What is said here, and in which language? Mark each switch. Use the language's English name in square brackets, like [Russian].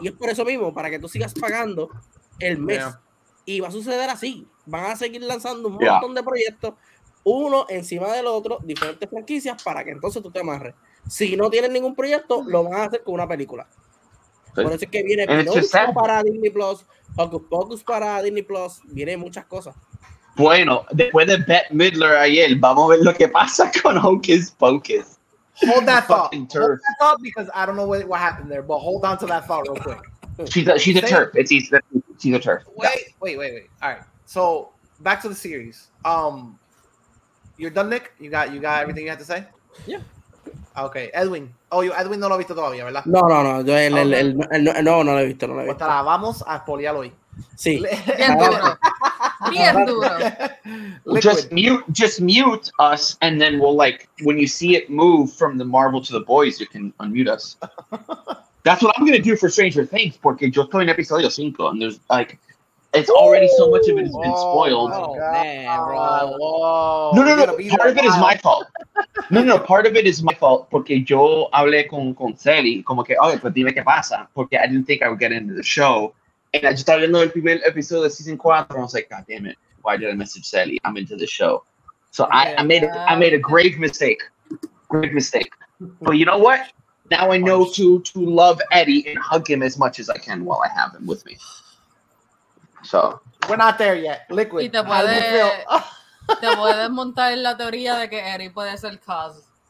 [Spanish] Y es por eso mismo, para que tú sigas pagando el mes. Yeah. Y va a suceder así, van a seguir lanzando un montón de proyectos, uno encima del otro, diferentes franquicias, para que entonces tú te amarres. Si no tienes ningún proyecto, lo van a hacer con una película. Por eso es que viene Pinocchio para Disney Plus, Hocus Pocus para Disney Plus, viene muchas cosas. Bueno, después de Bette Midler ayer, vamos a ver lo que pasa con Hocus Pocus. [English] Hold that thought, because I don't know what happened there, but hold on to that thought real quick. She's a turf. It's easy. She's a turf. Wait. All right. So back to the series. You're done, Nick? You got everything you had to say? Yeah. [Spanish] Okay, Edwin. [English] Oh, you [Spanish] Edwin no lo ha visto todavía, ¿verdad? No. Yo no lo he visto, Pues la vamos a spoilearlo hoy. Sí. Bien duro. [English] Just mute us, and then we'll, like, when you see it move from the Marvel to the Boys, you can unmute us. That's what I'm going to do for Stranger Things, [Spanish] porque yo estoy en episodio 5, [English] and there's, like... It's already so much of it has been spoiled. Oh, man, bro. No, part of it is my fault. [Spanish] Porque yo hablé con Sally, como que, oye, pues dime qué pasa. Porque [English] I didn't think I would get into the show. And I just started [Spanish] viendo el primer [English] episode of season 4, and I was like, God damn it. Why did I message Sally? I'm into the show. So yeah, I made a grave mistake. Grave mistake. But you know what? Now I know to love Eddie and hug him as much as I can while I have him with me. So. We're not there yet. Liquid. [Spanish] Y te puedes montar en la teoría de que Eric puede ser Kaz.